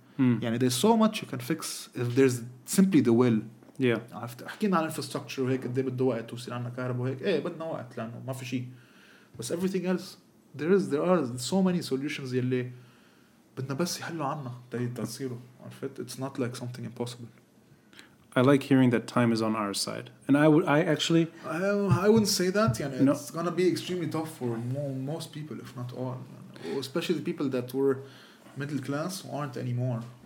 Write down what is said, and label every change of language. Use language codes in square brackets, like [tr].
[en] يعني there's so much you can fix if there's simply the will. Yeah. [ar] عرفت حكينا على infrastructure وهيك قد ايه بده وقت توصل عنا كهرباء وهيك إيه بدنا وقت لأنه ما في شيء بس [en] everything else there are so many solutions [ar] يلي بدنا بس يحلوا عنا تصيروا عرفت. [en] It's not like something impossible. I like hearing that time is on our side. And I wouldn't say that. You know, it's gonna be extremely tough for most people, if not all. Especially the people that were middle class who aren't anymore.